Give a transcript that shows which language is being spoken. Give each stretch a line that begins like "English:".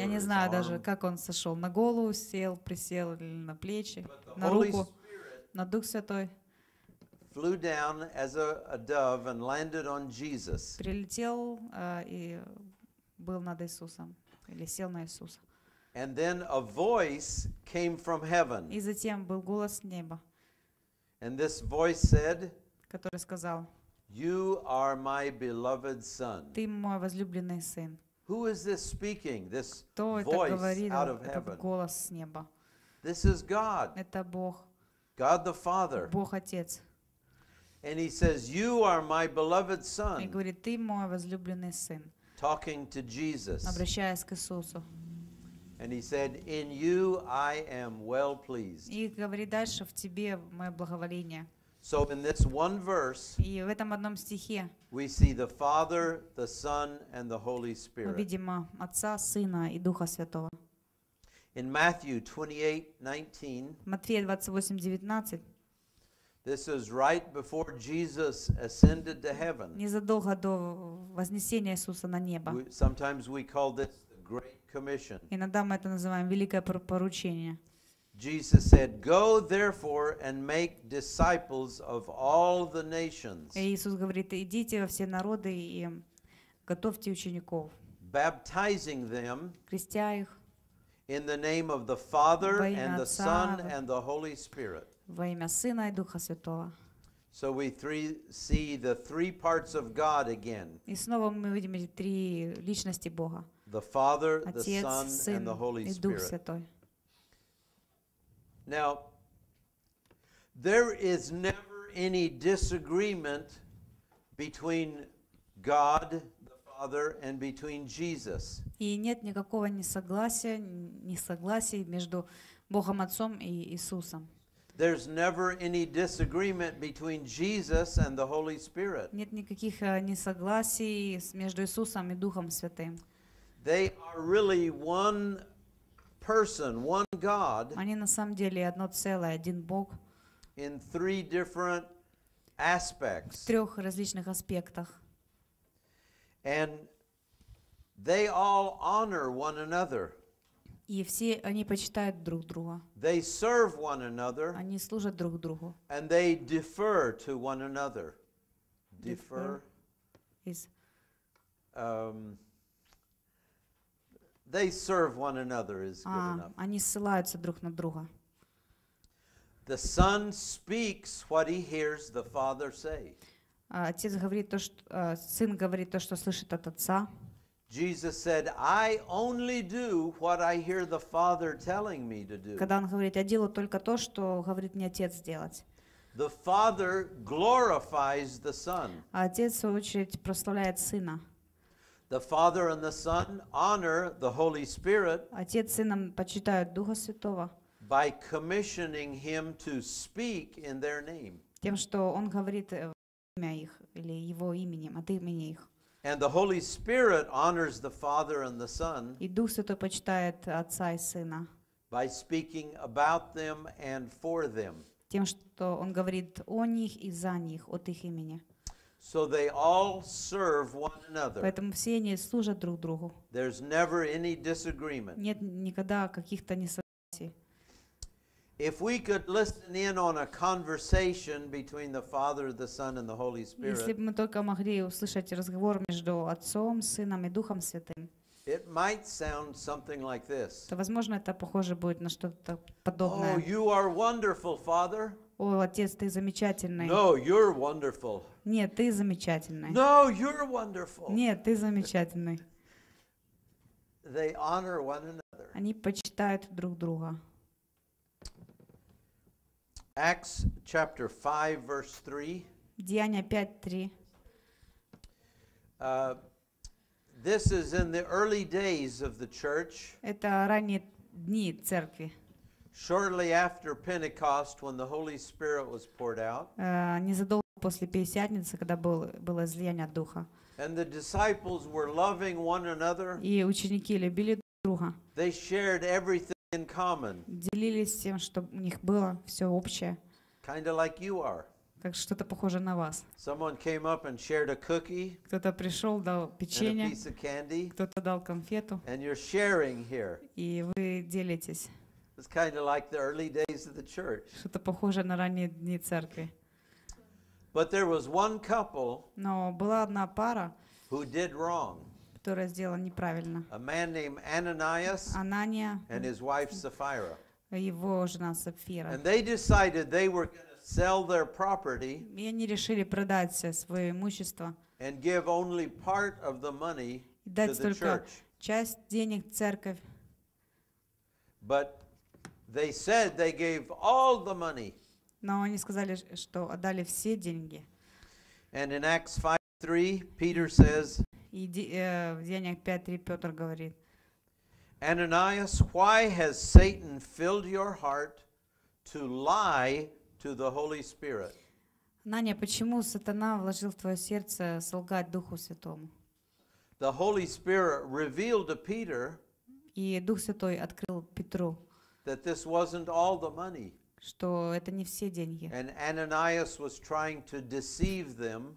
Russian: Я не знаю даже, как он сошёл, на голову сел, присел или на плечи, на руку. На Дух Святой.
English: Flew down as a dove and landed on Jesus.
Russian: Прилетел и был над Иисусом или сел на Иисуса.
English: And then a voice came from heaven.
Russian: И затем был голос с неба.
English: And this voice said,
Russian: который сказал:
English: You are my beloved son.
Russian: Ты мой возлюбленный сын.
English: Who is this speaking? This voice out of heaven.
Russian: Это голос с неба.
English: This is God.
Russian: Это Бог.
English: God the Father.
Russian: Бог Отец.
English: And he says, "You are my beloved son."
Ukrainian: Він говорить: "Ти мій возлюблений син."
English: Talking to Jesus.
Russian: Обращаясь к Ісусу.
English: And he said, "In you I am well pleased."
Ukrainian: І говорить дальше: "В тебе моє благовоління."
English: So in this one verse,
Ukrainian: і в этом одному стихі,
English: we see the Father, the Son, and the Holy Spirit.
Ukrainian: Ми бачимо Отця, Сина і Духа Святого.
English: In Matthew 28:19,
Russian: Матфея 28:19,
English: This is right before Jesus ascended to heaven.
Russian: Незадолго до вознесения Иисуса на небо.
English: Sometimes we call this the Great Commission.
Russian: Иногда мы это называем великое поручение.
English: Jesus said, "Go therefore and make disciples of all the nations."
Russian: Иисус говорит: идите во все народы и готовьте учеников.
English: Baptizing them.
Russian: Крестя их.
English: In the name of the Father and the Son and the Holy Spirit.
Russian: Во имя Сына и Духа Святого.
English: So we see the three parts of God again.
Russian: И снова мы видим эти три личности Бога.
English: The Father,
Russian: Отец,
English: the Son,
Russian: Сын,
English: and the Holy Spirit.
Russian: И Дух Святой.
English: Now, there is never any disagreement between God, the Father, and between Jesus.
Russian: И нет никакого несогласия между Богом Отцом и Иисусом.
English: There's never any disagreement between Jesus and the Holy Spirit.
Russian: Нет никаких несогласий между Иисусом и Духом Святым.
English: They are really one person, one God.
Russian: Они на самом деле одно целое, один Бог.
English: In three different aspects.
Russian: В трёх различных аспектах.
English: And they all honor one another.
Russian: И все они почитают друг друга.
English: They serve one another.
Russian: Они служат друг другу.
English: And they defer to one another. Defer. Is. They serve one another is good enough.
Russian: Они ссылаются друг на друга.
English: The Son speaks what he hears the Father say.
Russian: Отец говорит то, что Сын говорит то, что слышит от Отца.
English: Jesus said, "I only do what I hear the Father telling me to do."
Russian: Когда он говорит, я делаю только то, что говорит мне Отец сделать.
English: The Father glorifies the Son.
Russian: А Отец в очередь прославляет Сына.
English: The Father and the Son honor the Holy Spirit.
Russian: Отец с Сыном почитают Духа Святого.
English: By commissioning him to speak in their name.
Russian: Тем, что он говорит имя их или его именем, от имени их.
English: And the Holy Spirit honors the Father and the Son.
Russian: И Дух Святой почитает Отца и Сына.
English: By speaking about them and for them.
Russian: Тем, что он говорит о них и за них, от их имени.
English: So they all serve one another.
Russian: Поэтому все они служат друг другу.
English: There's never any disagreement.
Russian: Нет никогда каких-то несогласий.
English: If we could listen in on a conversation between the Father, the Son, and the Holy Spirit,
Russian: если бы мы только могли услышать разговор между Отцом, Сыном и Духом Святым,
English: it might sound something like this.
Russian: То, возможно, это похоже будет на что-то подобное.
English: Oh, you are wonderful, Father.
Russian: О, Отец, ты замечательный.
English: No, you're wonderful.
Russian: Нет, ты замечательный.
English: No, you're wonderful.
Russian: Нет, ты замечательный.
English: They honor one another.
Russian: Они почитают друг друга.
English: Acts chapter 5 verse 3.
Russian: Деяния 5:3.
English: This is in the early days of the church.
Russian: Это ранние дни церкви.
English: Shortly after Pentecost when the Holy Spirit was poured out.
Russian: Незадолго после Пятидесятницы, когда было излияние Духа.
English: And the disciples were loving one another.
Russian: И ученики любили друг друга.
English: They shared everything in common.
Russian: Делились тем, что у них было всё общее.
English: Kind of like you are.
Russian: Как что-то похоже на вас.
English: Someone came up and shared a cookie.
Russian: Кто-то пришёл, дал печенье.
English: And a piece of candy.
Russian: Кто-то дал конфету.
English: And you're sharing here.
Russian: И вы делитесь.
English: It's kind of like the early days of the church.
Russian: Что-то похоже на ранние дни церкви.
English: But there was one couple.
Russian: Но была одна пара.
English: Who did wrong?
Russian: Которое сделал неправильно.
English: A man named Ananias
Russian: Anania,
English: and his wife Sapphira.
Russian: Его жена Сапфира.
English: And they decided they were going to sell their property.
Russian: И они решили продать все свое имущество.
English: And give only part of the money to the church.
Russian: Часть денег церковь.
English: But they said they gave all the money.
Russian: Но они сказали, что отдали все деньги.
English: And in Acts 5:3, Peter says.
Russian: И в Деяниях 5:3 Петр говорит:
English: Ananias, why has Satan filled your heart to lie to the Holy Spirit?
Russian: Ананья, почему сатана вложил в твое сердце солгать Духу Святому?
English: The Holy Spirit revealed to Peter.
Russian: И Дух Святой открыл Петру.
English: That this wasn't all the money.
Russian: что это не все деньги.
English: And Ananias was trying to deceive them.